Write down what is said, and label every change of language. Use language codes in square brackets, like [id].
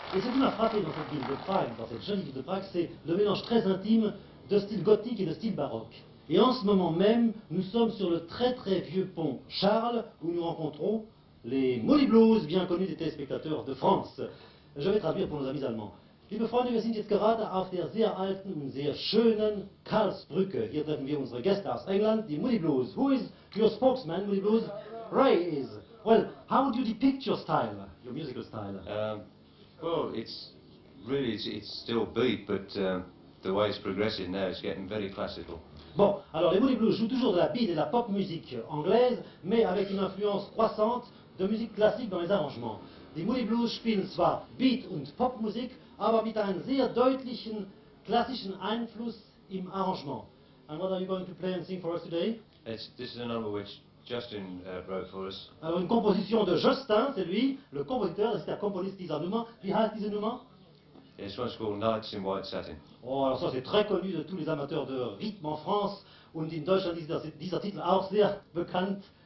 [fr] Et ce qui m'a frappé dans cette ville de Prague, dans cette jeune ville de Prague, c'est le mélange très intime de style gothique et de style baroque. Et en ce moment même, nous sommes sur le très très vieux pont Charles, où nous rencontrons les Moody Blues, bien connus des téléspectateurs de France. Je vais traduire pour nos amis allemands. [de] Liebe Freunde, wir sind jetzt gerade auf der sehr alten und sehr schönen Karlsbrücke. Hier treffen wir unsere Gäste aus England, die Moody Blues. [en] Who is your spokesman, Moody Blues? Ray is. Well, how would you depict your style, your musical style? It's still beat, but the way it's progressing now, it's getting very classical. [fr] Bon, alors les Moody Blues jouent toujours de la beat et de la pop musique anglaise, mais avec une influence croissante de musique classique dans les arrangements. [de] Die Moody Blues spielen zwar Beat- und Popmusik, aber mit einem sehr deutlichen klassischen Einfluss im Arrangement. [en] And what are you going to play and sing for us today? This is a number which Justin wrote for us. [fr] Alors une composition de Justin, c'est lui, le compositeur, c'est un compositeur [de] dieser Nummer. Wie heißt diese Nummer? [en] This one's called Nights in White Satin. [fr] Oh, alors ça c'est très connu de tous les amateurs de rythme en France, [de] und in Deutschland ist dieser Titel auch sehr bekannt.